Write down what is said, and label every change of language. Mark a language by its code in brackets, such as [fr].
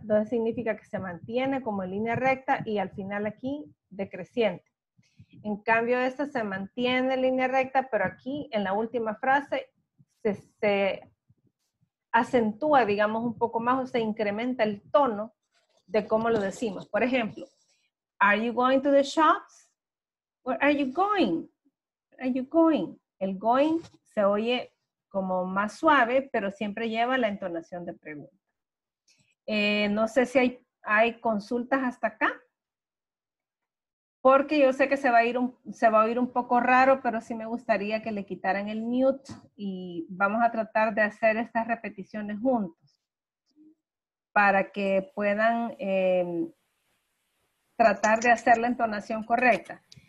[es] Entonces significa que se mantiene como en línea recta y al final aquí decreciente. En cambio, esta se mantiene en línea recta, pero aquí en la última frase se acentúa, digamos, un poco más o se incrementa el tono de cómo lo decimos. Por ejemplo, [en] are you going to the shops? Where are you going? Where are you going? [es] El going se oye como más suave, pero siempre lleva la entonación de pregunta. No sé si hay consultas hasta acá. Porque yo sé que se va a oír un poco raro, pero sí me gustaría que le quitaran el mute y vamos a tratar de hacer estas repeticiones juntos para que puedan tratar de hacer la entonación correcta.